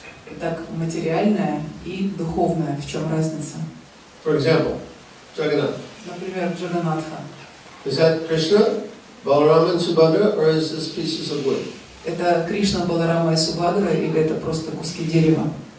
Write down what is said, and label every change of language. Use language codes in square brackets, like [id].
[ru] Итак, материальное и духовное, в чем разница? [en] For example, Jagannath. [ru] Например, Джаганнатха. [en] Is that Krishna, Balarama and Subhadra, or is this pieces of wood? [ru] Это Кришна, Баларама и Субхадра, или это просто куски дерева?